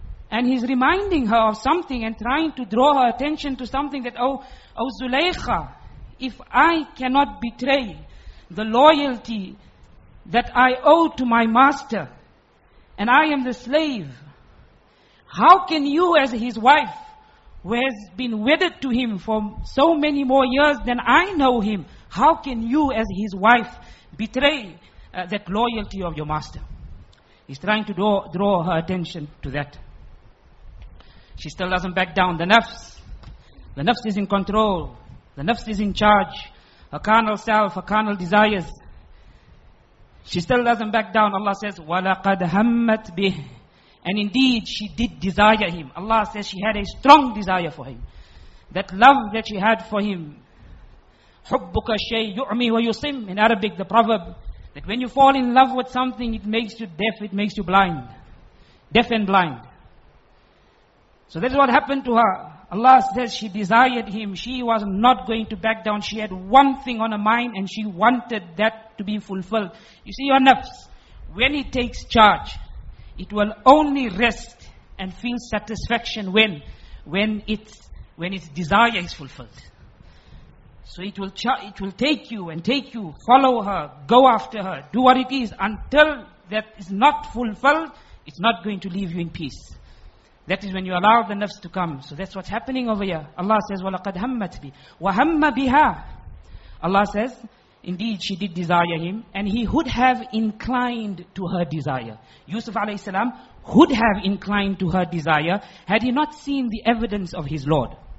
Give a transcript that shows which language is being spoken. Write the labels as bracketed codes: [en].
[en] And he's reminding her of something and trying to draw her attention to something that, oh Zulaykha, if I cannot betray the loyalty that I owe to my master, and I am the slave, how can you as his wife, who has been wedded to him for so many more years than I know him, how can you as his wife betray that loyalty of your master? He's trying to draw her attention to that. She still doesn't back down. The nafs is in control. The nafs is in charge, her carnal self, her carnal desires. She still doesn't back down. Allah says, [ar] وَلَقَدْ هَمَّتْ بِهِ. [en] And indeed, she did desire him. Allah says she had a strong desire for him. That love that she had for him. [ar] حُبُّكَ الشَّيْءِ يُعْمِي وَيُصِمْ. [en] In Arabic, the proverb, that when you fall in love with something, it makes you deaf, it makes you blind. Deaf and blind. So that is what happened to her. Allah says she desired him. She was not going to back down. She had one thing on her mind and she wanted that to be fulfilled. You see, your nafs, when it takes charge, it will only rest and feel satisfaction when its desire is fulfilled. So it will take you and take you, follow her, go after her, do what it is. Until that is not fulfilled, it's not going to leave you in peace. That is when you allow the nafs to come. So that's what's happening over here. Allah says, [ar] وَلَقَدْ هَمَّتْ بِهِ وَهَمَّ بِهَا. [en] Allah says, indeed she did desire him, and he would have inclined to her desire. Yusuf alayhi salam would have inclined to her desire had he not seen the evidence of his Lord.